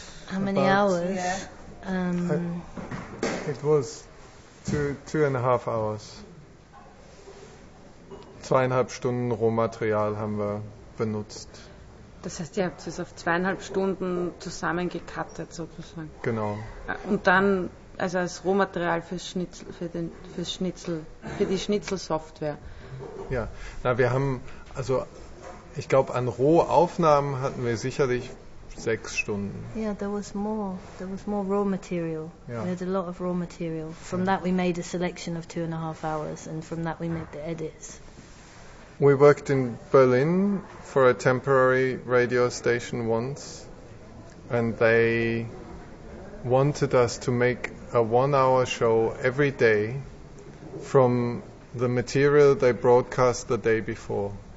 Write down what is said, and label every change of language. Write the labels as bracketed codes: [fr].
[en] Do you know how much material you had in total? Hours? Yeah. It was two and a half hours. [de] 2,5 Stunden Rohmaterial haben wir benutzt. Das heißt, ihr habt es auf 2,5 Stunden zusammengecuttet sozusagen. Genau. Und dann, also als Rohmaterial für die Schnitzelsoftware. Ja, na, wir haben, also ich glaube, an Rohaufnahmen hatten wir sicherlich 6 Stunden. [en] Yeah, there was more raw material. Yeah. We had a lot of raw material. From that we made a selection of 2.5 hours, and from that we made the edits. We worked in Berlin for a temporary radio station once, and they wanted us to make a 1-hour show every day from the material they broadcast the day before.